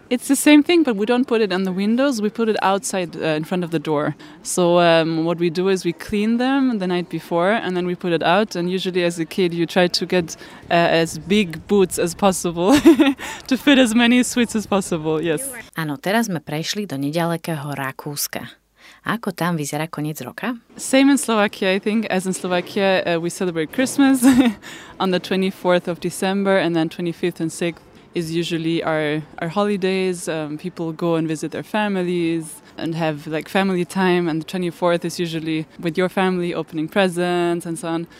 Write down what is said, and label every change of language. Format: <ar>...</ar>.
<en>It's the same thing, but we don't put it on the windows. We put it outside in front of the door. So what we do is we clean them the night before and then we put it out. And usually as a kid, you try to get as big boots as possible to fit as many sweets as possible. Yes.</en> <sk>Áno, teraz sme prešli do nedalekého Rakúska. Ako tam vyzerá koniec roka?</sk> <en>Same in Slovakia, I think. As in Slovakia, we celebrate Christmas on the 24th of December and then 25th and 6th. Is usually our holidays. People go and visit their families and have like family time. And the 24th is usually with your family, opening presents and so on.</en>